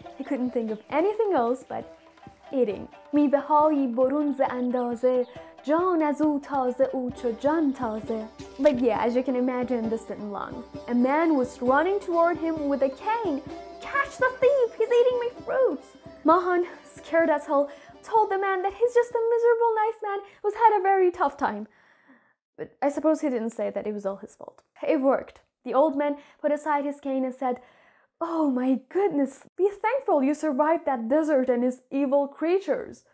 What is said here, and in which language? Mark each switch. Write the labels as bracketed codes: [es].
[en] He couldn't think of anything else but eating. [fa] میوه‌های برون ز اندازه جان از او تازه او چو جان تازه. [en] But yeah, as you can imagine, this didn't long. A man was running toward him with a cane. "Catch the thief! He's eating my fruits!" Mahan, scared as hell, told the man that he's just a miserable nice man who's had a very tough time. But I suppose he didn't say that it was all his fault. It worked. The old man put aside his cane and said, "Oh my goodness, be thankful you survived that desert and his evil creatures.